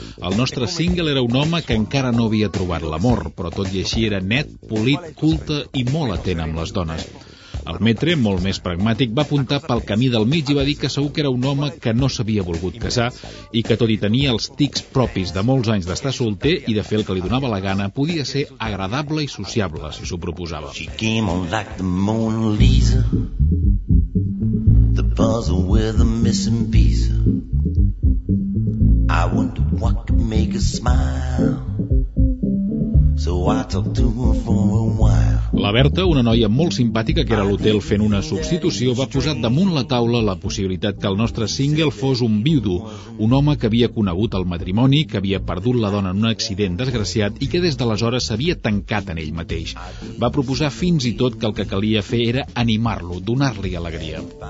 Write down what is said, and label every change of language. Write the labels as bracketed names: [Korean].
[Catalan] El nostre Single era un home que encara no havia trobat l'amor, però tot i així era net, polit, culte i molt atent amb les dones. El metre, molt més pragmàtic, va apuntar pel camí del mig i va dir que segur que era un home que no s'havia volgut casar i que, tot i tenir els tics propis de molts anys d'estar solter i de fer el que li donava la gana, podia ser agradable i sociable, si s'ho proposava. [English] She came on like the Mona Lisa, the puzzle with a missing piece. I wonder what could make her smile. So I talk to her for a while. [Catalan] La Berta, una noia molt simpàtica que era a l'hotel fent una substitució, va posar damunt la taula la possibilitat que el nostre Single fos un viudo, un home que havia conegut el matrimoni, que havia perdut la dona en un accident desgraciat i que des d'aleshores s'havia tancat en ell mateix. Va proposar fins i tot que el que calia fer era animar-lo, donar-li alegria.